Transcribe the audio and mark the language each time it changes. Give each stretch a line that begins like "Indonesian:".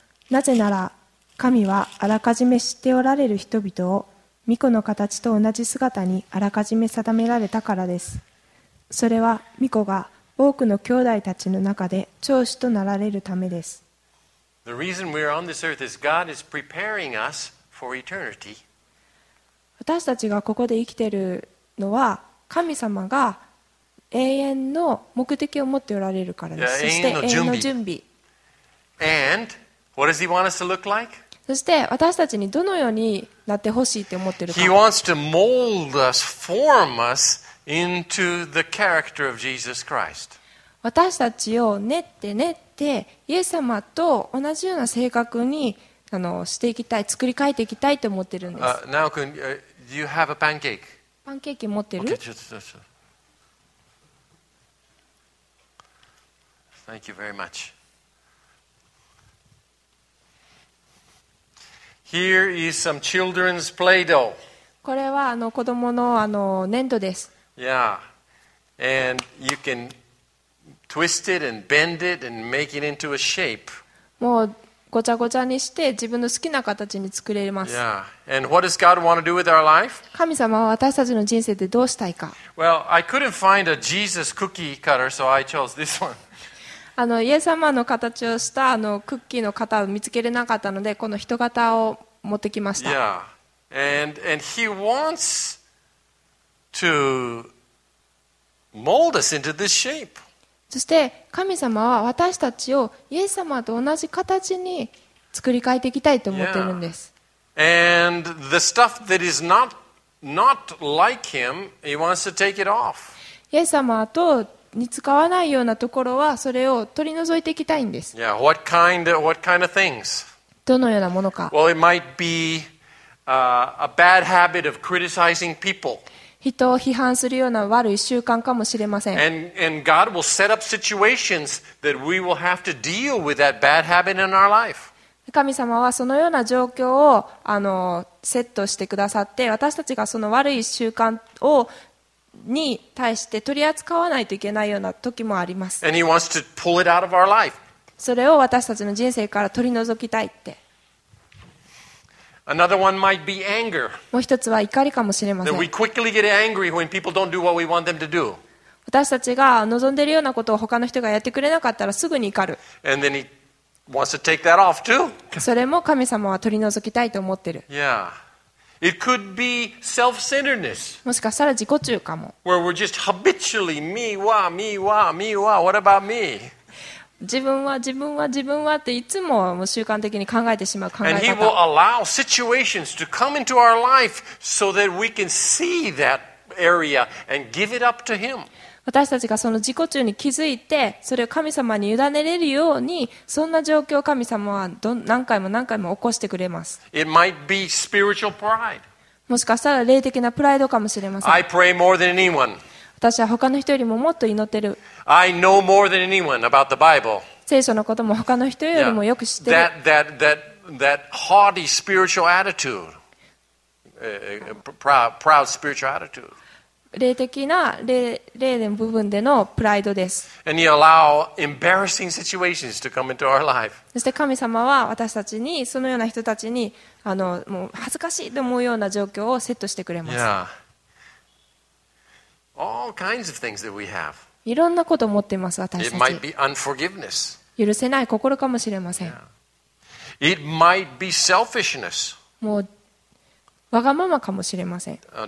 Japanese: なぜなら神はあらかじめ知っておられる人々を御子の形と同じ姿にあらかじめ定められたからです。それは御子が多くの兄弟たちの中で長子となられるためです。
English: The reason we are on this earth is God is preparing us for eternity.
Japanese: 私たちがここで生きているのは神様が永遠の目的を持っておられるからです。そして永遠の準備。
English: And what does he want us to look like?
Japanese: そして私たちにどのようになってほしいと思っているか。
English: He wants to mold us, form us into the character of Jesus Christ.
Japanese: 私たちを練って練ってイエス様と同じような性格にしていきたい、作り変えていきたいと思ってるんです。
English: ナオ君、do you have a pancake?
Japanese: パンケーキ持ってる？
English: Okay, just. Thank you very much. Here is some children's play-doh.
Japanese: これは子供の粘土です。
English: Yeah, and you can. Twisted and bend it and make it into a shape.
Japanese: もうごちゃごちゃにして自分の好きな形に作れます。
English: Yeah. And what does God want to do with our life?
Japanese: 神様は私たちの人生でどうしたいか。
English: Well, I couldn't find a Jesus cookie cutter, so I chose this one.
Japanese: イエス様の形をしたクッキーの型を見つけれなかったのでこの人型を持ってきました。
English: Yeah. And He wants to mold us into this shape.
Japanese: そして神様は私たちをイエス様と同じ形に作り変えていきたいと思っているんです。
English: Yeah. And the stuff that is not like him, he wants to take it off.
Japanese: イエス様とに使わないようなところはそれを取り除いていきたいんです。
English: Yeah. What kind of things?
Japanese: どのようなものか。
English: Well, it might be a bad habit of criticizing people.
Japanese: 人を批判するような悪い習慣かもしれません。
English: And God will set up situations that we will have to deal with that bad habit in our life.
Japanese: 神様はそのような状況をセットしてくださって、私たちがその悪い習慣をに対して取り扱わないといけないような時もあります。
English: And He wants to pull it out of our life.
Japanese: それを私たちの人生から取り除きたいって。
English: Another one might be anger.
Japanese: もう一つは怒りかもしれません。
English: That we quickly get angry when people don't do what we want them to do.
Japanese: 私たちが望んでいるようなことを他の人がやってくれなかったらすぐに怒る。
English: And then he wants to take that off too.
Japanese: それも神様は取り除きたいと思ってる。
English: Yeah. It could be self-centeredness.
Japanese: もしかしたら自己中かも。
English: Where we're just habitually me, wa, me, wa, me, wa. What about me?
Japanese: 自分は自分は自分はっていつ もう習慣的に考えてしまう考え方。
English: And he will allow situations to come into our life so that we can see that area and give it up to him.
Japanese: 私たちがその自己中に気づいて、それを神様に委ねれるようにそんな状況を神様は何回も何回も起こしてくれます。
English: It might be spiritual pride.
Japanese: もしかしたら霊的なプライドかもしれません。
English: I pray more than anyone.
Japanese: 私は他の人よりももっと祈ってる。
English: I know more than anyone about the Bible.
Japanese: 聖書のことも他の人よりもよく知ってる。
English: Yeah. That haughty spiritual attitude, proud spiritual attitude.
Japanese: 霊的な霊の部分でのプライドです。
English: And he allow embarrassing situations to come into our life.
Japanese: そして神様は私たちにそのような人たちにもう恥ずかしいと思うような状況をセットしてくれます。
English: Yeah. All kinds of things that we have.
Japanese: いろんなことを持っています私たち。
English: It might be unforgiveness.
Japanese: 許せない心かもしれません。
English: Yeah. It might be selfishness.
Japanese: もうわがままかもしれません。